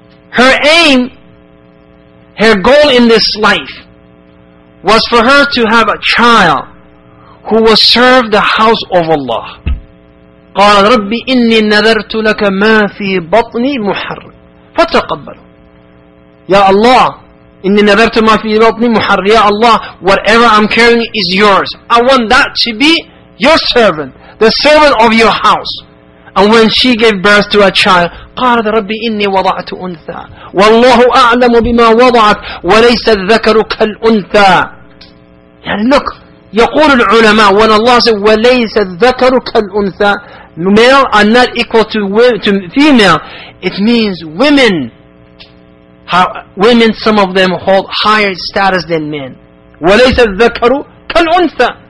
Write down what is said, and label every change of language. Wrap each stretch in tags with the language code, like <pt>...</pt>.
<en>Her aim, her goal in this life, was for her to have a child who will serve the house of Allah.</en> <ar>قال ربي إني نذرت لك ما في بطني محر فتقبل. Ya Allah, إِنِّي نَذَرْتُ مَا فِي بَطْنِي مُحَرِّ, Ya Allah,</ar> <en>whatever I'm carrying is yours. I want that to be your servant, the servant of your house. And when she gave birth to a child,</en> <ar>قَالَ رَبِّ إِنِّي وَضَعْتُ أُنْثَى وَاللَّهُ أَعْلَمُ بِمَا وَضَعَتْ وَلَيْسَ الذَّكَرُ كَالْأُنْثَى.</ar> <en>Yani look,</en> <ar>يقول العلماء,</ar> <en>when Allah said,</en> <ar>وَلَيْسَ الذَّكَرُ كَالْأُنْثَى,</ar> <en>male are not equal to female, it means women. How women, some of them hold higher status than men.</en> <ar>وَلَيْسَ الذَّكَرُ كَالْأُنْثَى.</ar>